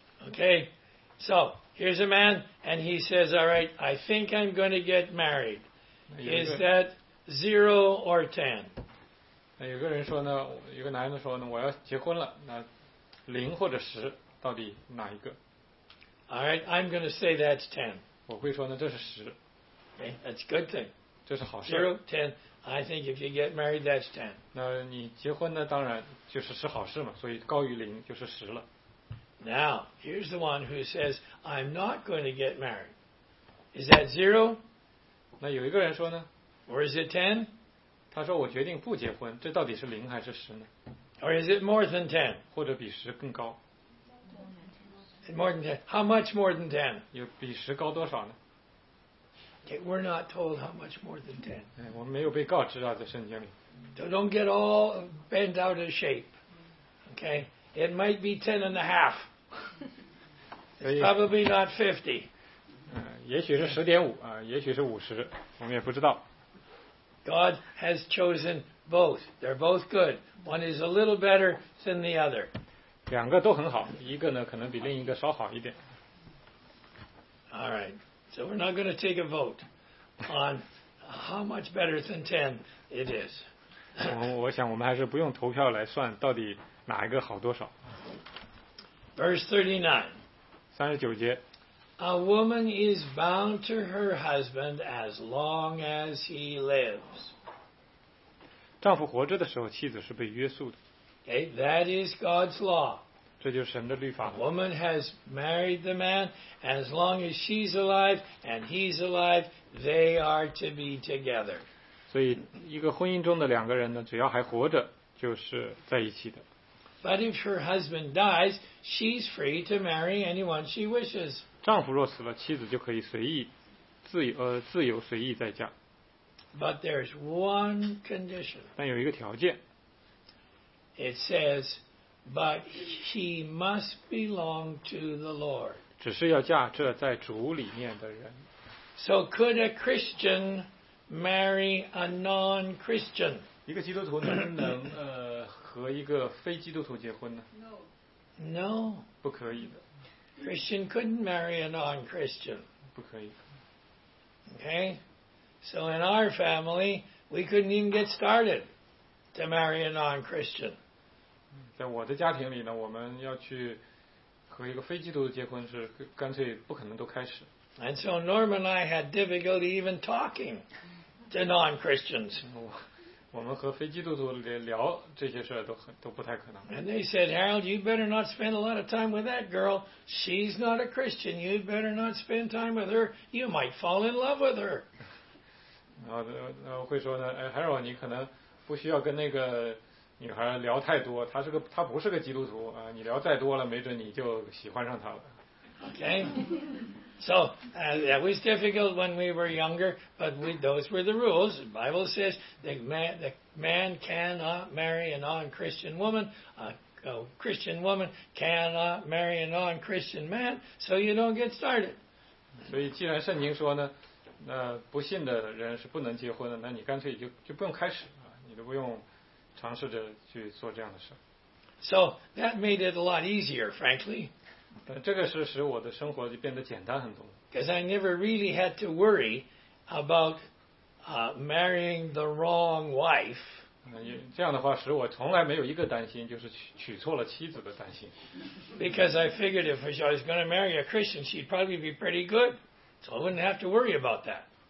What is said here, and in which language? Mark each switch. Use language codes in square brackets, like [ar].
[en] Okay, so here's a man, and he says, all right, I think I'm going to get married. Is that zero or ten? [zh] 那有个人说呢，一个男的说呢，我要结婚了，那零或者十，到底哪一个？ [en] All right, I'm going to say that's 10. [zh] 我会说呢，这是十。 [en] Okay, that's a good thing. [zh] 这是好事。 [en] Zero, ten. I think if you get married, that's 10. [zh] 那你结婚呢，当然就是是好事嘛，所以高于零就是十了。 [en] Now, here's the one who says, I'm not going to get married. Is that zero? [zh] 那有一个人说呢。 [en] Or is it 10? [zh] 他说我决定不结婚，这到底是零还是十呢？ [en] Or is it more than 10? [zh] 或者比十更高。 [en] More than 10. How much more than 10? [zh] 有比十高多少呢？ [en] Okay, we're not told how much more than 10. [zh] 我们没有被告知啊，在圣经里。 [en] So don't get all bent out of shape. Okay, it might be 10.5. It's probably not 50. [zh] 也许是 10.5 啊，也许是50，我们也不知道。 [en] God has chosen both. They're both good. One is a little better than the other. [zh] 两个都很好，一个呢可能比另一个稍好一点。 [en] All right. So we're not going to take a vote on how much better than 10 it is. [zh] 我想我们还是不用投票来算到底哪一个好多少。 [en] Verse 39. [zh] 39节。 [en] A woman is bound to her husband as long as he lives. [zh] 丈夫活着的时候妻子是被约束的。 [en] Okay, that is God's law. [zh] 这就是神的律法。 [en] A woman has married the man as long as she's alive and he's alive, they are to be together. [zh] 所以一个婚姻中的两个人呢，只要还活着就是在一起的。 [en] But if her husband dies, she's free to marry anyone she wishes. [zh] 丈夫若死了，妻子就可以随意自由随意再嫁。 [en] But there's one condition. [zh] 但有一个条件。 [en] It says, but she must belong to the Lord. [zh] 只是要嫁这在主里面的人。 [en] So could a Christian marry a non-Christian? [zh] 一个基督徒能不能和一个非基督徒结婚呢 [en] ？No， [zh] 不可以的。 [en] Christian couldn't marry a non-Christian。 [zh] 不可以。 [en] Okay， so in our family we couldn't even get started to marry a non-Christian。 [zh] 在我的家庭里呢，我们要去和一个非基督徒结婚是干脆不可能都开始。 [en] And so Norm and I had difficulty even talking to non-Christians。 [zh] 我们和非基督徒聊这些事都不太可能。 [en] And they said, Harold, you better not spend a lot of time with that girl. She's not a Christian. You better not spend time with her. You might fall in love with her. [zh] 然后会说呢，哎 ，Harold， 你可能不需要跟那个女孩聊太多。她不是个基督徒啊，你聊再多了，没准你就喜欢上她了。 [en] Okay. So, that was difficult when we were younger, but those were the rules. The Bible says the man cannot marry a non-Christian woman. A Christian woman cannot marry a non-Christian man, so you don't get started. [zh] 所以既然圣经说呢，那不信的人是不能结婚的，那你干脆就不用开始，你都不用尝试着去做这样的事。 [en] So, that made it a lot easier, frankly. [zh] 这个是使我的生活就变得简单很多。 [en] Because I never really had to worry about marrying the wrong wife. [zh] 这样的话使我从来没有一个担心，就是娶错了妻子的担心。 [en] Because I figured if I was going to marry a Christian, she'd probably be pretty good, so I wouldn't have to worry about that.